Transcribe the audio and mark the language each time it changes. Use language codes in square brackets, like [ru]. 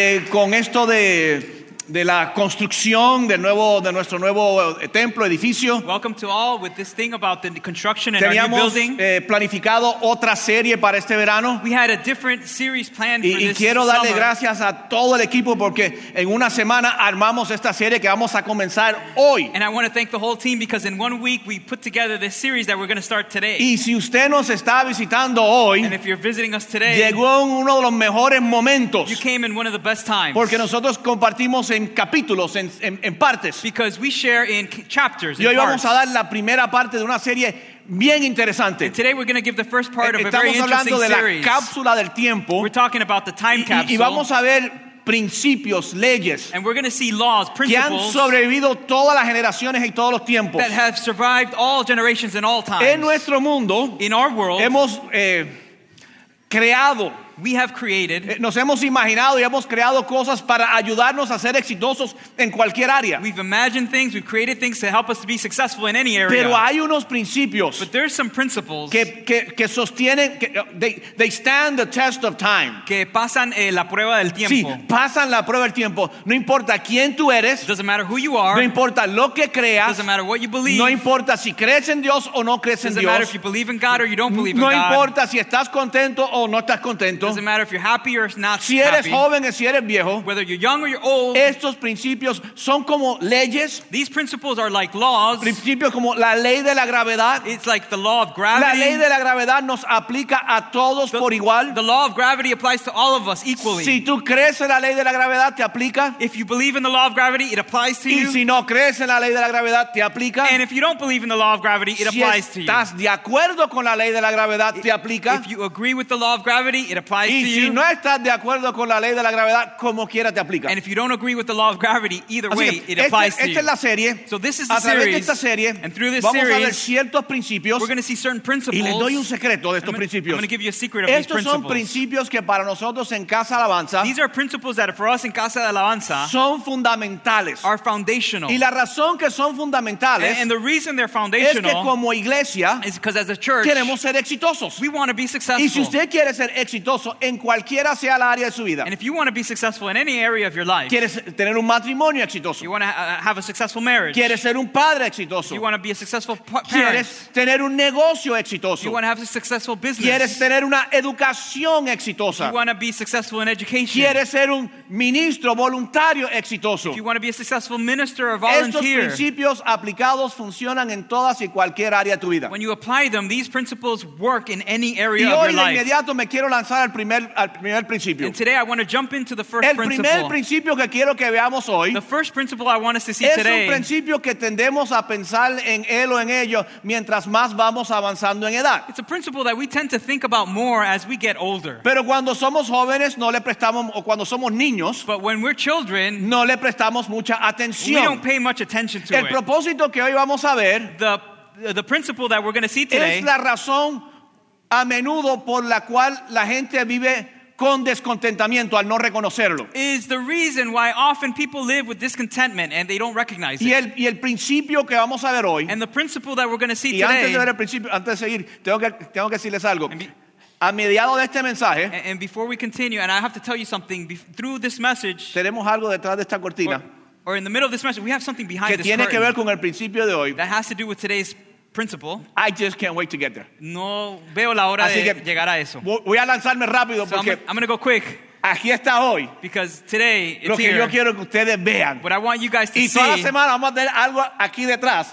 [es] Con esto de la construcción de nuestro nuevo templo, edificio. [en] Welcome to all with this thing about the construction and [es] teníamos, [en] our new building. [es] Teníamos planificado otra serie para este verano. [en] We had a different series planned for this summer. [es] Y quiero darle gracias a todo el equipo porque en una semana armamos esta serie que vamos a comenzar hoy. [en] And I want to thank the whole team because in one week we put together this series that we're going to start today. [es] Y si usted nos está visitando hoy, [en] and if you're visiting us today, [es] llegó en uno de los mejores momentos. [en] You came in one of the best times. [es] Porque nosotros compartimos en capítulos, en partes. [en] Because we share in chapters, [es] y hoy vamos a dar la primera parte de una serie bien interesante. [en] And today we're going to give the first part of a very interesting series. [es] Estamos hablando de la cápsula del tiempo. [en] We're talking about the time capsule. [es] Y vamos a ver principios, leyes. [en] And we're going to see laws, principles. [es] Que han sobrevivido todas las generaciones y todos los tiempos. [en] That have survived all generations and all times. [es] En nuestro mundo, [en] in our world, [es] hemos creado. [en] We have created. [es] Nos hemos imaginado y hemos creado cosas para ayudarnos a ser exitosos en cualquier área. [en] We've imagined things, we've created things to help us to be successful in any area. [es] Pero hay unos principios. [en] But there's some principles. [es] Que sostienen, que, [en] they stand the test of time. [es] Que pasan la prueba del tiempo. Sí, pasan la prueba del tiempo. No importa quién tú eres. [en] Doesn't matter who you are. [es] No importa lo que creas. [en] Doesn't matter what you believe. [es] No importa si crees en Dios o no crees en Dios. [en] Doesn't matter if you believe in God or you don't believe in [es] no [en] God. [es] No importa si estás contento o no estás contento. [en] Doesn't matter if you're happy or not [es] si eres [en] happy. [es] Joven, si eres viejo, [en] whether you're young or you're old, [es] estos principios son como leyes. [en] These principles are like laws. [es] Principios como la ley de la gravedad. [en] It's like the law of gravity. [es] La ley de la gravedad nos aplica a todos por igual. [en] The law of gravity applies to all of us equally. [es] Si tú crees en la ley de la gravedad, te aplica. [en] If you believe in the law of gravity, it applies to [es] y [en] you. [es] Si no crees en la ley de la gravedad, te aplica. [en] And if you don't believe in the law of gravity, it [es] si [en] applies to you. [es] Si estás de acuerdo con la ley de la gravedad, te aplica. [en] If you agree with the law of gravity, it applies. [es] Y si no estás de acuerdo con la ley de la gravedad, como quiera te aplica. [en] And if you don't agree with the law of gravity, either [es] así [en] way, [es] que, [en] it applies to you. [es] Esta es la serie. [en] So this is [es] a [en] the [es] través [en] series, [es] de esta serie, [en] and through this [es] vamos [en] series, [es] a ver ciertos principios. [en] We're going to see certain principles. [es] Y les doy un secreto de estos principios. [en] I'm going to give you a secret of [es] estos [en] these principles. [es] Estos son principios que para nosotros en Casa Alabanza. [en] These are principles that for us in Casa de Alabanza. [es] Son fundamentales. [en] Are foundational. [es] Y la razón que son fundamentales. [en] And the reason they're foundational. [es] Es que como iglesia. [en] Is because as a church. [es] Queremos ser exitosos. [en] We want to be successful. [es] Y si usted quiere ser exitoso. En cualquiera sea la área de su vida. [en] And if you want to be successful in any area of your life, [es] quieres tener un matrimonio exitoso. [en] You want to have a successful marriage. [es] Quieres ser un padre exitoso. [en] You want to be a successful parent. [es] Quieres tener un negocio exitoso. [en] You want to have a successful business. [es] Quieres tener una educación exitosa. [en] You want to be successful in education. [es] Quieres ser un ministro voluntario exitoso. [en] If you want to be a successful minister or volunteer. [es] Estos principios aplicados funcionan en todas y cualquier área de tu vida. [en] When you apply them, these principles work in any area [es] y hoy, [en] of your life. [es] Y hoy de inmediato me quiero lanzar al primer principio. [en] And today I want to jump into the first [es] el primer principio que quiero que veamos hoy. [en] The first principle I want us to see [es] es [en] today. [es] Es un principio que tendemos a pensar en él o en ello mientras más vamos avanzando en edad. [en] It's a principle that we tend to think about more as we get older. [es] Pero cuando somos jóvenes no le prestamos o cuando somos niños. [en] But when we're children, [es] no le prestamos mucha atención. [en] We don't pay much attention to [es] el [en] it. [es] El propósito que hoy vamos a ver. [en] The principle that we're going to see today. [es] Es la razón. A menudo por la cual la gente vive con descontentamiento al no reconocerlo. [en] Is the reason why often people live with discontentment and they don't recognize it. [es] Y el principio que vamos a ver hoy. [en] And the principle that we're going to see [es] y [en] today. [es] Y antes de ver el principio, antes de seguir, tengo que decirles algo. A mediado de este mensaje. [en] And before we continue, and I have to tell you something, through this message. [es] Tenemos algo detrás de esta cortina. [en] Or in the middle of this message, we have something behind [es] que [en] this [es] tiene [en] curtain. [es] Que ver con el principio de hoy. [en] That has to do with today's principle. I just can't wait to get there. [es] No veo la hora así de llegar a eso. Voy a lanzarme rápido porque [en] I'm going to go quick. [es] Aquí está hoy. [en] Because today it's [es] lo que [en] here. [es] Yo quiero que ustedes vean. [en] What I want you guys to [es] y [en] see. [es] Y toda la semana vamos a tener algo aquí detrás.